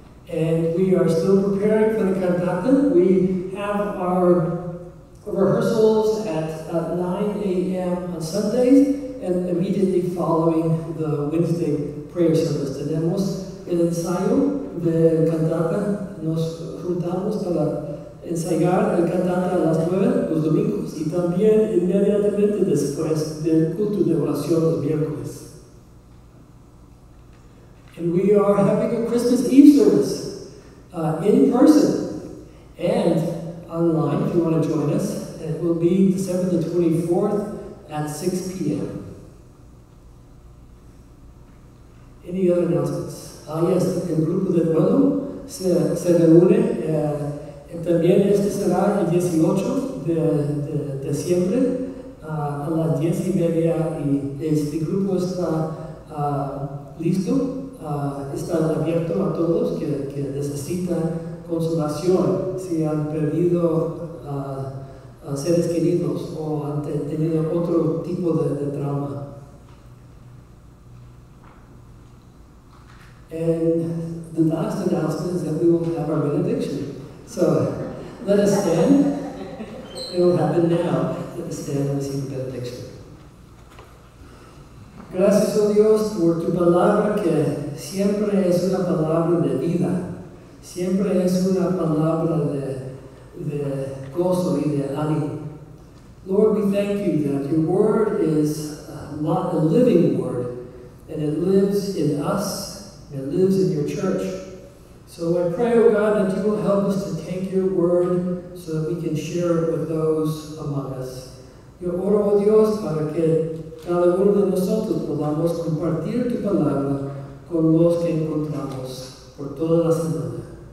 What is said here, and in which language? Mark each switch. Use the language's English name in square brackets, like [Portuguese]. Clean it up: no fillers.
[English] And we are still preparing for the cantata. We have our rehearsals at 9 a.m. on Sundays and immediately following the Wednesday prayer service. [Spanish] Tenemos el ensayo de cantata. Nos juntamos para ensayar el cantata a las 9 los domingos y también inmediatamente después del culto de oración los miércoles. [English] And we are having a Christmas Eve service in person and online if you want to join us. It will be December the 24th at 6 p.m. Any other announcements? Ah, yes, [Spanish] el grupo de duelo se reúne. También este será el 18 de diciembre a las 10 y media. Y este grupo está listo. Está abierto a todos que necesitan consolación si han perdido a seres queridos o han tenido otro tipo de trauma. [English] And the last announcement is that we will have our benediction. So let us stand. It will happen now. Let us stand and receive the benediction. [Spanish] Gracias, oh Dios, por tu palabra que siempre es una palabra de vida. Siempre es una palabra de gozo y de ánimo. [English] Lord, we thank you that your word is a living word, and it lives in us, and it lives in your church. So I pray, oh God, that you will help us to take your word so that we can share it with those among us. [Spanish] Yo oro, oh Dios, para que cada uno de nosotros podamos compartir tu palabra con los que encontramos por toda la semana.